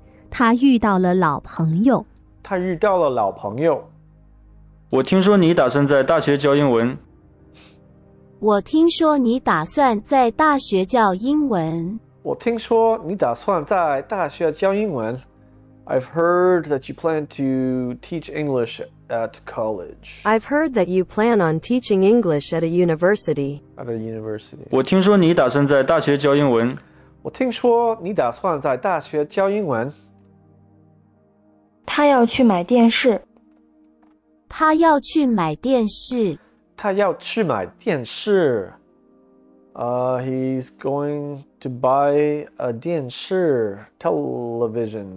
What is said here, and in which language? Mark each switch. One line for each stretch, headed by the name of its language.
Chinese: 他遇到了老朋友。他遇到了老朋友。我听说你打算在大学教英文。我听说你打算在大学教英文。我听说你打算在大学教英文。
English: I've heard that you plan to teach English at college. I've heard that you plan on teaching English at a university. At a university.
Chinese: 我听说你打算在大学教英文。我听说你打算在大学教英文。他要去买电视。他要去买电视。他要去买电视。
English: He's going to buy a 电视 television.